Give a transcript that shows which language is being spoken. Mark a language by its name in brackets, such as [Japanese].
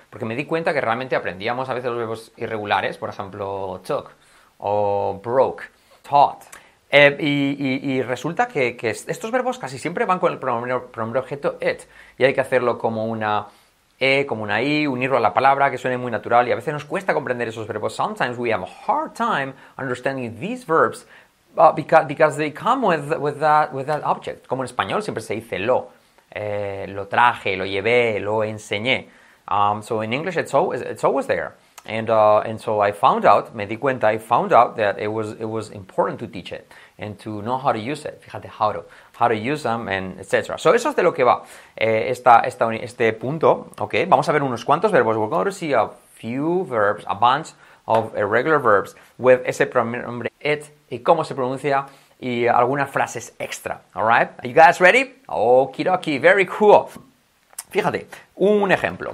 [Spanish] Porque me di cuenta que realmente aprendíamos a veces los verbos irregulares, por ejemplo, took o broke, taught. Y resulta que estos verbos casi siempre van con el pronombre objeto it y hay que hacerlo como una e, como una i, unirlo a la palabra que suene muy natural y a veces nos cuesta comprender esos verbos. [English] Sometimes we have a hard time understanding these verbs because they come with that object. [Spanish] Como en español siempre se dice lo, lo traje, lo llevé, lo enseñé. [English] So in English it's always there. And so I found out that it was important to teach it and to know how to use it. Fíjate, how to use them and etc. [Spanish] So eso es de lo que va este punto. Okay, vamos a ver unos cuantos verbos. [English] We're going to see a few verbs, a bunch of irregular verbs with [Spanish] ese pronombre it y cómo se pronuncia y algunas frases extra. [English] All right, are you guys ready? Okie dokie, very cool. [Spanish] Fíjate, un ejemplo.